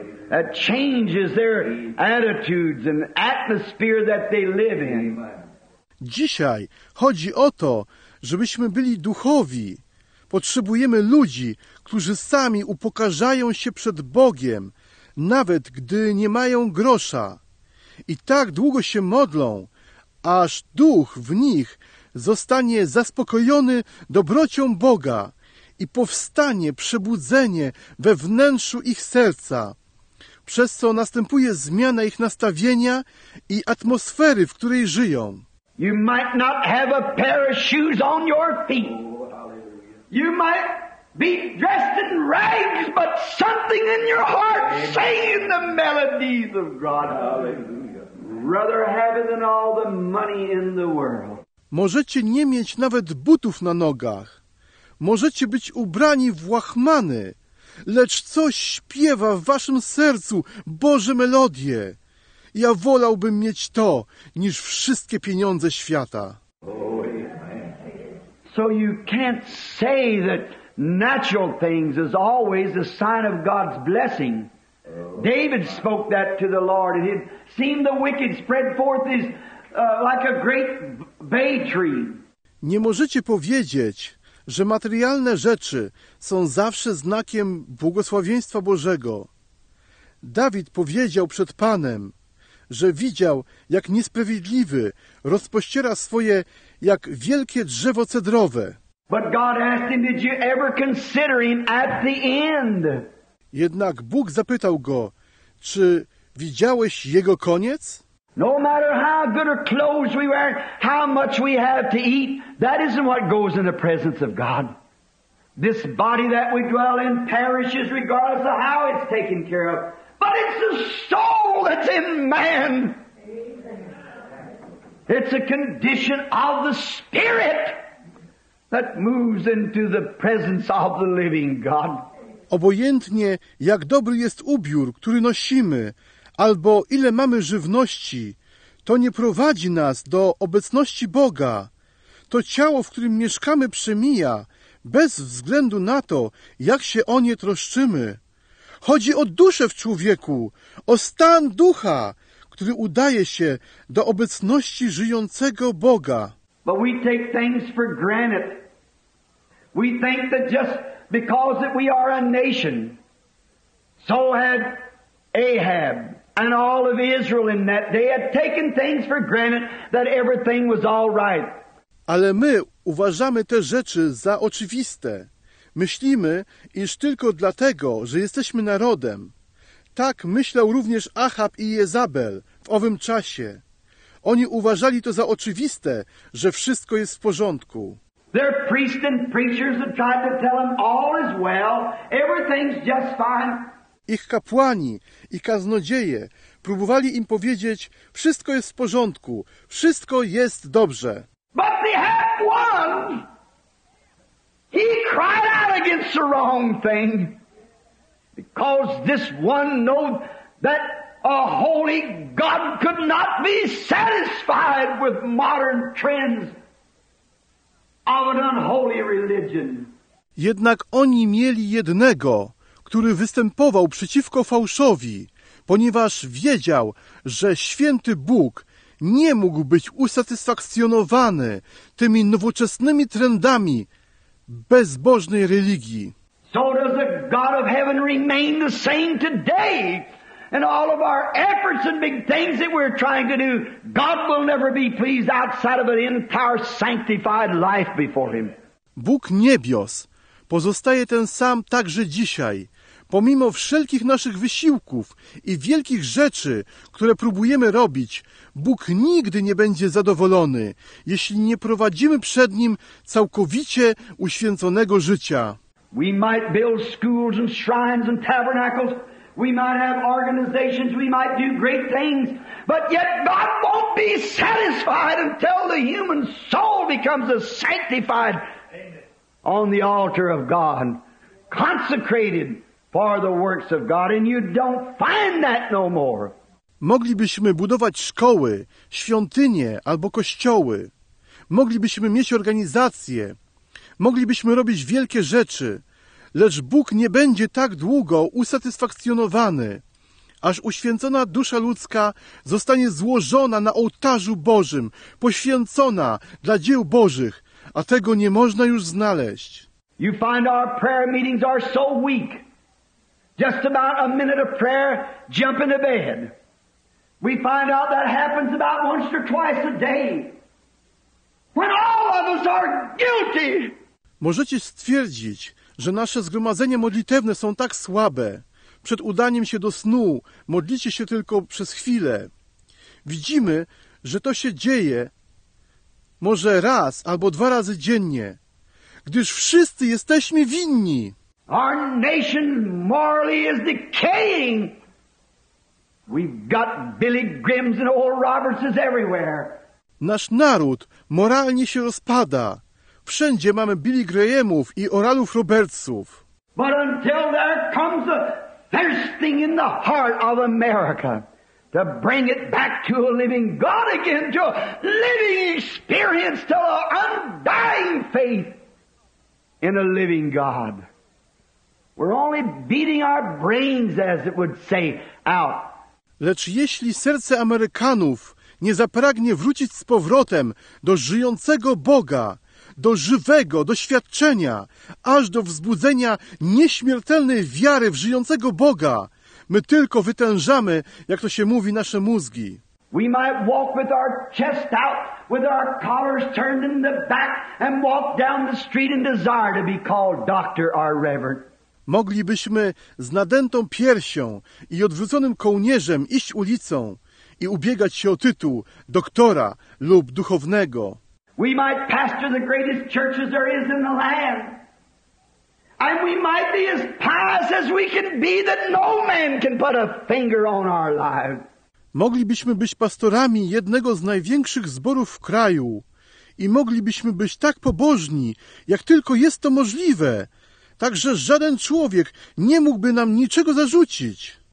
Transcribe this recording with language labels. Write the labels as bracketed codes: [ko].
[en] That changes their attitudes and atmosphere that they live in. [pl] Dzisiaj chodzi o to, żebyśmy byli duchowi. Potrzebujemy ludzi, którzy sami upokarzają się przed Bogiem, nawet gdy nie mają grosza. I tak długo się modlą, aż duch w nich zostanie zaspokojony dobrocią Boga i powstanie przebudzenie we wnętrzu ich serca, przez co następuje zmiana ich nastawienia i atmosfery, w której żyją. [en] You might not have a pair of shoes on your feet. You might be dressed in rags, but something in your heart saying the melodies of God. Hallelujah. Rather have it than all the money in the world. [pl] Możecie nie mieć nawet butów na nogach. Możecie być ubrani w łachmany, lecz coś śpiewa w waszym sercu Boże melodie. Ja wolałbym mieć to, niż wszystkie pieniądze świata. [en] So you can't say that natural things is always a sign of God's blessing. David spoke that to the Lord, and it seemed the wicked spread forth his like a great bay tree. [pl] Nie możecie powiedzieć, że materialne rzeczy są zawsze znakiem błogosławieństwa Bożego. Dawid powiedział przed Panem, że widział, jak niesprawiedliwy rozpościera swoje jak wielkie drzewo cedrowe. [en] But God asked him, did you ever consider him at the end? [pl] Jednak Bóg zapytał go, czy widziałeś jego koniec? [en] No matter how good our clothes we wear, how much we have to eat, that isn't what goes in the presence of God. This body that we dwell in perishes regardless of how it's taken care of. But it's the soul that's in man. It's a condition of the spirit that moves into the presence of the living God. [pl] obojętnie jak dobry jest ubiór, który nosimy, albo ile mamy żywności, to nie prowadzi nas do obecności Boga. To ciało, w którym mieszkamy, przemija, bez względu na to, jak się o nie troszczymy. Chodzi o duszę w człowieku, o stan ducha, który udaje się do obecności żyjącego Boga. [en] But we take things for granted. We think that just because that we are a nation, so had Ahab and all of Israel in that day had taken things for granted that everything was all right. [pl] Ale my uważamy te rzeczy za oczywiste. Myślimy, iż tylko dlatego, że jesteśmy narodem. Tak myślał również Achab i Jezabel w owym czasie. Oni uważali to za oczywiste, że wszystko jest w porządku. [en] Their priests and preachers have tried to tell them all is well, everything's just fine. [pl] Ich kapłani i kaznodzieje próbowali im powiedzieć, wszystko jest w porządku, wszystko jest dobrze. [en] But they had one. He cried out against the wrong thing, because this one knew that a holy God could not be satisfied with modern trends of an unholy religion. [pl] Jednak oni mieli jednego, który występował przeciwko fałszowi, ponieważ wiedział, że święty Bóg nie mógł być usatysfakcjonowany tymi nowoczesnymi trendami bezbożnej religii. [en] So does the God of heaven remain the same today? And all of our efforts and big things that we're trying to do, God will never be pleased outside of an entire sanctified life before Him. [pl] Bóg niebios pozostaje ten sam także dzisiaj, pomimo wszelkich naszych wysiłków i wielkich rzeczy, które próbujemy robić. Bóg nigdy nie będzie zadowolony, jeśli nie prowadzimy przed Nim całkowicie uświęconego życia. [en] We might build schools and shrines and tabernacles. We might have organizations, we might do great things, but yet God won't be satisfied until the human soul becomes a sanctified on the altar of God, consecrated for the works of God, and you don't find that no more. [pl] Moglibyśmy budować szkoły, świątynie albo kościoły. Moglibyśmy mieć organizacje. Moglibyśmy robić wielkie rzeczy. Lecz Bóg nie będzie tak długo usatysfakcjonowany, aż uświęcona dusza ludzka zostanie złożona na ołtarzu Bożym, poświęcona dla dzieł Bożych, a tego nie można już znaleźć. [en] You find our prayer meetings are so weak. Just about a minute of prayer, jump into bed. We find out that happens about once or twice a day. When all of us are guilty. [pl] Możecie stwierdzić, że nasze zgromadzenia modlitewne są tak słabe. Przed udaniem się do snu modlicie się tylko przez chwilę. Widzimy, że to się dzieje może raz albo dwa razy dziennie, gdyż wszyscy jesteśmy winni. [en] Our nation morally is decaying. We've got Billy Grimms and Oral Robertses everywhere. [pl] Nasz naród moralnie się rozpada. Wszędzie mamy Billy Grahamów i Oralów Robertsów. [en] But until there comes a thirsting in the heart of America to bring it back to a living God again, to a living experience, to an undying faith in a living God. We're only beating our brains, as it would say, out. [pl] Lecz jeśli serce Amerykanów nie zapragnie wrócić z powrotem do żyjącego Boga, do żywego doświadczenia, aż do wzbudzenia nieśmiertelnej wiary w żyjącego Boga, my tylko wytężamy, jak to się mówi, nasze mózgi. [en] We might walk with our chest out, with our collars turned in the back, and walk down the street and desire to be called doctor or reverend. [pl] Moglibyśmy z nadętą piersią i odwróconym kołnierzem iść ulicą i ubiegać się o tytuł doktora lub duchownego. [en] We might pastor the greatest churches there is in the land. And we might be as pious as we can be that no man can put a finger on our lives. [pl] Moglibyśmy być pastorami jednego z największych zborów w kraju i moglibyśmy być tak pobożni, jak tylko jest to możliwe, Także żaden człowiek nie mógłby nam niczego zarzucić.